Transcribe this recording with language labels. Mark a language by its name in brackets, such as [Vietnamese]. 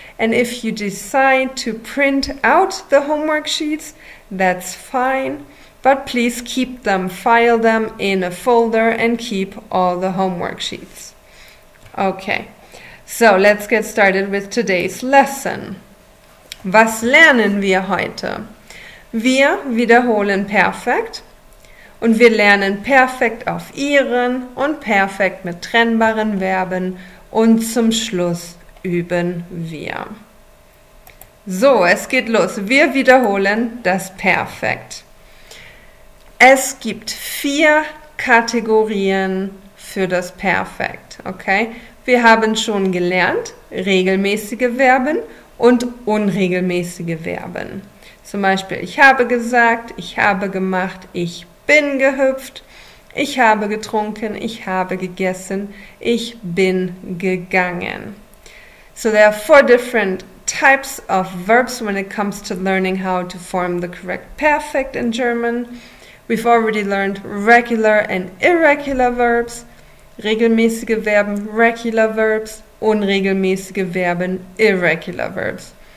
[English] And if you decide to print out the homework sheets, that's fine. But please keep them, file them in a folder, and keep all the homework sheets. Okay, so let's get started with today's lesson. [German] Was lernen wir heute? Wir wiederholen perfekt und wir lernen perfekt auf ihren und perfekt mit trennbaren Verben und zum Schluss üben wir. So, es geht los. Wir wiederholen das Perfekt. Es gibt 4 Kategorien für das Perfekt, okay? Wir haben schon gelernt, regelmäßige Verben und unregelmäßige Verben. Zum Beispiel, ich habe gesagt, ich habe gemacht, ich bin gehüpft, ich habe getrunken, ich habe gegessen, ich bin gegangen. [English] So there are 4 different types of verbs when it comes to learning how to form the correct perfect in German. We've already learned regular and irregular verbs, regelmäßige Verben, regular verbs, unregelmäßige Verben, irregular verbs.